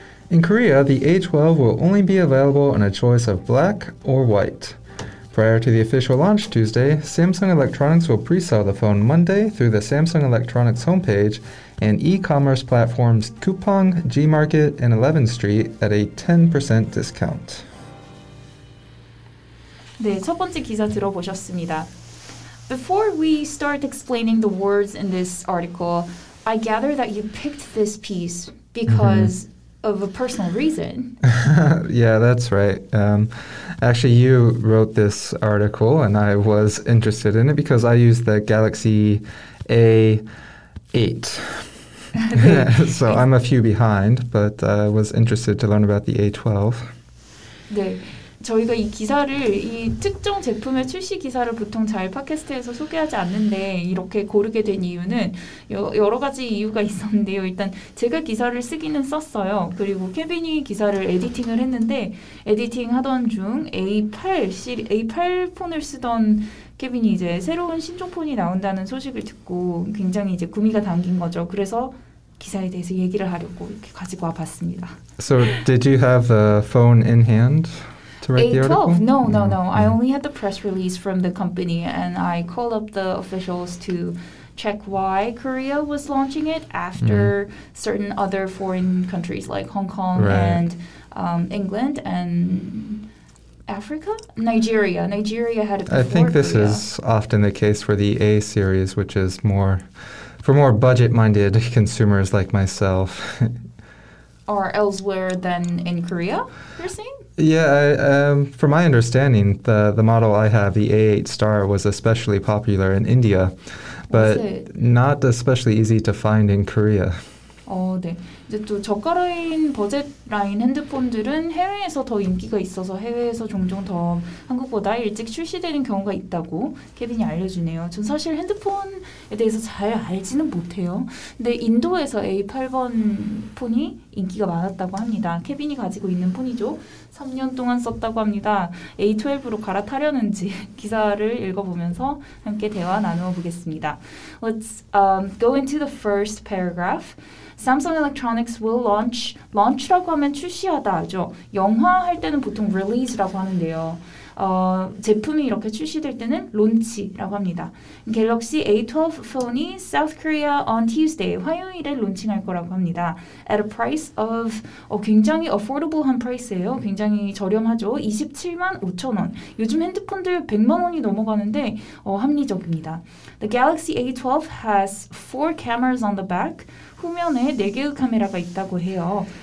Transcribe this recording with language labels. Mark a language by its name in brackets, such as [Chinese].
[English] In Korea, the A12 will only be available in a choice of black or white. Prior to the official launch Tuesday, Samsung Electronics will pre-sell the phone Monday through the Samsung Electronics homepage and e-commerce platforms Coupang, G-Market, and 11th Street at a 10% discount. [Korean] 네, 첫 번째 기사 들어보셨습니다. [English] Before we start explaining the words in this article, I gather that you picked this piece because... Mm-hmm. of a personal reason. Yeah, that's right. Actually, you wrote this article and I was interested in it because I use the Galaxy A8. So I'm a few behind, but I was interested to learn about the A12. [Korean] 네, 저희가 이 기사를 이 특정 제품의 출시 기사를 보통 잘 팟캐스트에서 소개하지 않는데 이렇게 고르게 된 이유는 여러 가지 이유가 있었는데요. 일단 제가 기사를 쓰기는 썼어요. 그리고 케빈이 기사를 에디팅을 했는데 에디팅 하던 중 A8 폰을 쓰던 케빈이 이제 새로운 신종 폰이 나온다는 소식을 듣고 굉장히 이제 구미가 당긴 거죠. 그래서 기사에 대해서 얘기를 하려고 이렇게 가지고 와 봤습니다. [English] So did you have a phone in hand? A12? No. I only had the press release from the company and I called up the officials to check why Korea was launching it after certain other foreign countries like Hong Kong and England and Africa? Nigeria had it before I think this Korea. Is often the case for the A series, which is more for more budget-minded consumers like myself. Or elsewhere than in Korea, you're saying? Yeah, from my understanding, the model I have, the A8 Star, was especially popular in India, but not especially easy to find in Korea. [Korean] 네. 이제 또 저가라인 버젯 라인 핸드폰들은 해외에서 더 인기가 있어서 해외에서 종종 더 한국보다 일찍 출시되는 경우가 있다고 케빈이 알려주네요. 전 사실 핸드폰에 대해서 잘 알지는 못해요. 근데 인도에서 A8번 폰이 인기가 많았다고 합니다. 케빈이 가지고 있는 폰이죠. 3년 동안 썼다고 합니다. A12로 갈아타려는지 기사를 읽어보면서 함께 대화 나누어 보겠습니다. [English] Let's go into the first paragraph. Samsung Electronics will launch. [Korean] Launch라고 하면 출시하다죠. 영화 할 때는 보통 release라고 하는데요. 제품이 이렇게 출시될 때는 론치라고 합니다. Galaxy A12 phone이 [English] South Korea on Tuesday, [Korean] 화요일에 론칭할 거라고 합니다. [English] At a price of, [Korean] 굉장히 affordable한 price예요. 굉장히 저렴하죠. 27만 5천 원. 요즘 핸드폰들 100만 원이 넘어가는데 합리적입니다. [English] The Galaxy A12 has four cameras on the back. [Korean] 후면에 4개의 카메라가 있다고 해요.